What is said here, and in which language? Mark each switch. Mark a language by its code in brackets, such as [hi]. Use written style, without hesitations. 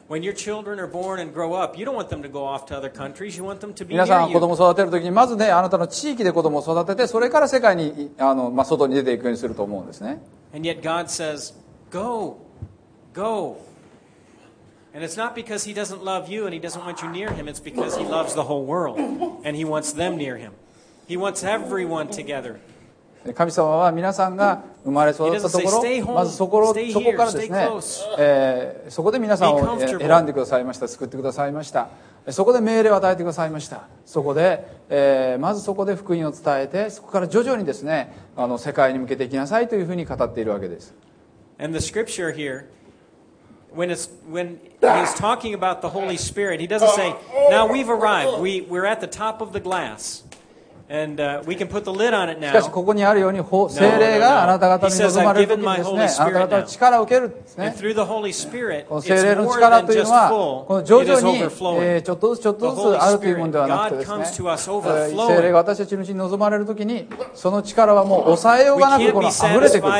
[en] When your children are born and grow up, you don't want them to go off to other countries. You want them to be near you. [ja] 皆さん子供を育てるときにまずね、あなたの地域で子供を育てて、それから世界にあの、まあ、外に出ていくようにすると思うんですね。 [en] And yet God says, go, go. And it's not because he doesn't love you and he doesn't want you near him. It's because he loves the whole world and he wants them near him. He wants everyone together. [ja] で神様は皆さんが生まれ育ったところ、まずそこからですね、そこで皆さんを選んでくださいました、救ってくださいました。そこで命令を与えてくださいました。そこで、まずそこで福音を伝えて、そこから徐々にですね、世界に向けていきなさいというふうに語っているわけです。 [en] And the scripture here, when he's talking about the Holy Spirit, he doesn't say, "Now we've arrived. We're at the top of the glass." And we can put the lid on it now. [ja] しかしここにあるように聖霊があなた方に臨まれる時にですね、あなた方は力を受けるんですね。この聖霊の力というのはこの徐々にちょっとずつちょっとずつあるというものではなくてですね、聖霊が私たちのうちに臨まれる時にその力はもう抑えようがなくこの溢れてくると